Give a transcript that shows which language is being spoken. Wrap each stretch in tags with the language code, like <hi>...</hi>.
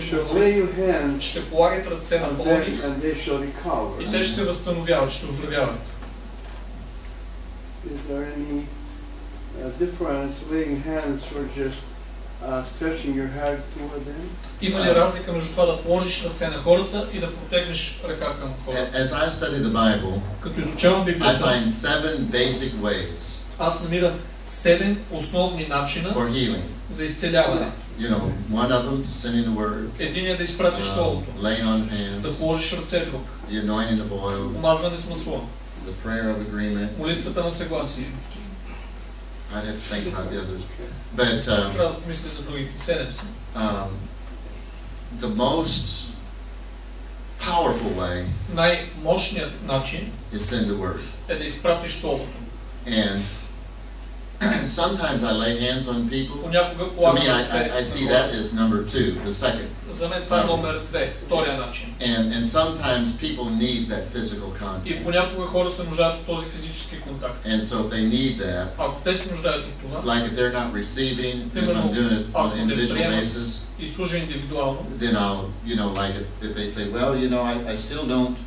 <en>shall lay your hands on them and they shall recover.</en> <bg>И те ще се възстановяват, ще оздравяват.</bg> <en>Is there any difference laying hands or just stretching your hand toward them?</en> <bg>Има ли разлика между това да положиш ръце на хората и да протегнеш ръка към хората? Като изучавам Библията,</bg> <en>I find seven basic ways.</en> <bg>Аз намирам седем основни начина</bg> <en>for healing.</en> <bg>За изцеляване.</bg> <en>You know, one of them, sending the word.</en> <bg>Единият да изпратиш словото.</bg> <en>Laying on hands.</en> <bg>Да положиш ръце друг.</bg> <en>The anointing of oil.</en> <bg>Помазване с масло.</bg> <en>The prayer of agreement.</en> <bg>Молитвата на съгласие.</bg> <en>I didn't think about the others. But,</en> <bg>трябва да помисля за другите. Седем са.</bg> <en>The most powerful way</en> <bg>най-мощният начин</bg> <en>is send the word.</en> <bg>Е да изпратиш словото.</bg> <en>And sometimes I lay hands on people.</en> <bg>Понякога,</bg> <en>to me, I see that as number two, the second.</en> <bg>За мен това е номер две, втория начин.</bg> <en>And sometimes people need that physical contact.</en> <bg>И понякога хора се нуждаят от този физически контакт.</bg> <en>And so if they need that,</en> <bg>ако те се нуждаят от това,</bg> <en>like if they're not receiving,</en> <bg>примерно,</bg> <en>and I'm doing it on an individual basis,</en> <bg>и служа индивидуално,</bg> <en>then I'll, you know, like if they say, well, you know, I still don't,</en>